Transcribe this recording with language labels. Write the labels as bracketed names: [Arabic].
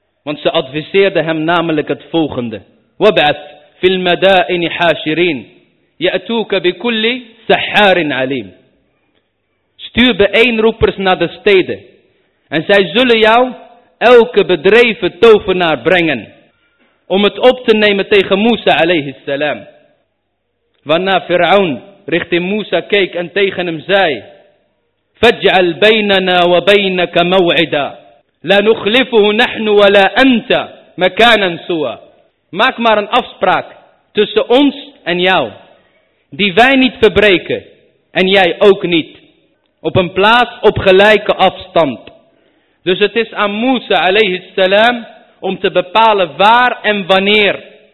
[Dutch] Want ze adviseerde hem namelijk het volgende. [Arabic] Wab'ath fil mada'ini hashirin. Ya'tuka bi kulli sahharin alim. [Dutch] Stuur bijeenroepers naar de steden. En zij zullen jou elke bedreven tovenaar brengen. Om het op te nemen tegen Musa alayhi salam. Waarna Firaun richting Musa keek en tegen hem zei, [Arabic] فَجْعَلْ بَيْنَنَا وَبَيْنَكَ مَوْعِدًا لَا نُخْلِفُهُ نَحْنُ وَلَا أَنْتَ مَكَانًا سُوَى. [Dutch] Maak maar een afspraak tussen ons en jou, die wij niet verbreken, en jij ook niet, op een plaats op gelijke afstand. Dus het is aan Musa alayhi salam om te bepalen waar en wanneer.